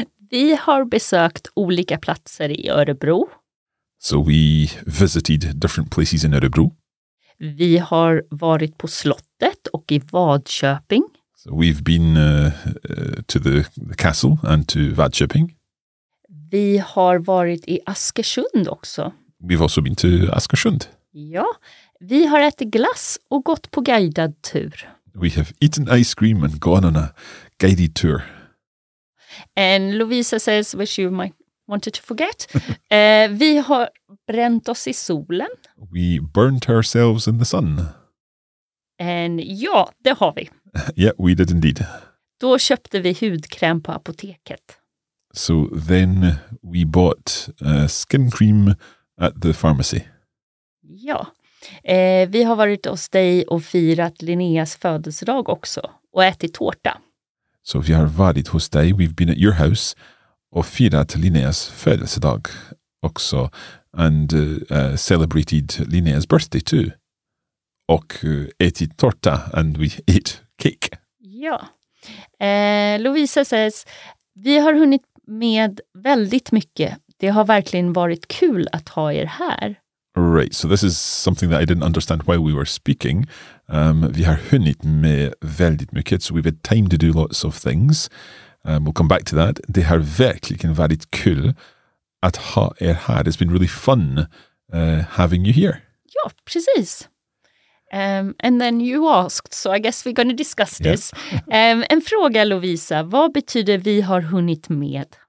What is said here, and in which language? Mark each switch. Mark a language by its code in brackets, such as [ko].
[sv] Vi har besökt olika platser i Örebro. [en] So we visited different places in Örebro. [sv] Vi har varit på slottet och i Vadköping. [en] So we've been to the castle and to Vadköping. [sv] Vi har varit i Askersund också. [en] We've also been to Askersund. [sv] Ja, vi har ätit glass och gått på guidad tur. [en] We have eaten ice cream and gone on a guided tour. And Lovisa says, which you might wanted to forget, [sv] vi har bränt oss i solen. [en] We burnt ourselves in the sun. And [sv] ja, det har vi. [en] Yeah, we did indeed. [sv] Då köpte vi hudkräm på apoteket. [en] So then we bought skin cream at the pharmacy. [sv] Ja, vi har varit hos dig och firat Linneas födelsedag också och ätit tårta. Så vi har varit hos dig, [en] we've been at your house [sv] och firat Linneas födelsedag också [en] and celebrated Linneas birthday too. [sv] Och ätit tårta [en] and we ate cake. [sv] Ja, Lovisa says, vi har hunnit med väldigt mycket. Det har verkligen varit kul att ha er här. [en] Right, so this is something that I didn't understand while we were speaking. [sv] Vi har hunnit med väldigt mycket, [en] so we've had time to do lots of things. We'll come back to that. [sv] Det har verkligen varit kul att ha er här. [en] It's been really fun having you here. [sv] Ja, precis. [en] And then you asked, so I guess we're going to discuss this. [sv] Yeah. En fråga, Lovisa. Vad betyder vi har hunnit med?